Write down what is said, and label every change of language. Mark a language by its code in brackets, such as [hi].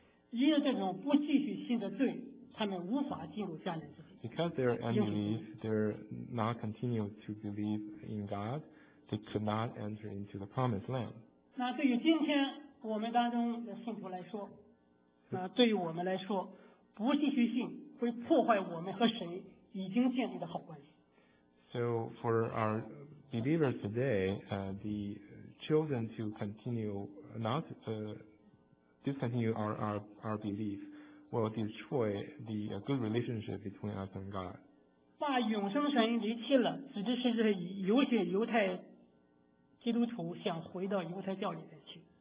[zh] 因为这种不继续信的罪，他们无法进入迦南之地。 [en] Because they're unbelief, they're not continue to believe in God, they could not enter into the promised land. [zh] 那对于今天我们当中的信徒来说，那对于我们来说，不继续信会破坏我们和神已经建立的好关系。 [en] So for our believers today, the chosen to continue not discontinue our belief. Will destroy the good relationship between us and God. [zh] 把永生神离弃了，指的是这有些犹太基督徒想回到犹太教里面去。